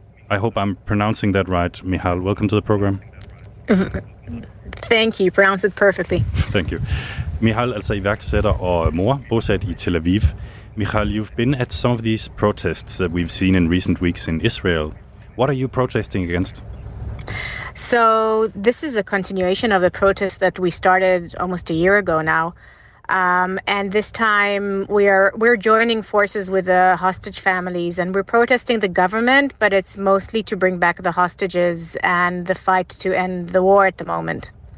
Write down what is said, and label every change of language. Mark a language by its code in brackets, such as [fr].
[en] I hope I'm pronouncing that right, Michal. Welcome to the program. Thank you. Pronounce it perfectly. Thank you. [da] Michal, altså iværksætter og mor, bosat i Tel Aviv. [en] Michal, you've been at some of these protests that we've seen in recent weeks in Israel. What are you protesting against? So this is a continuation of a protest that we started almost a year ago now. And this time we're joining forces with the hostage families and we're protesting the government, but it's mostly to bring back the hostages and the fight to end the war at the moment.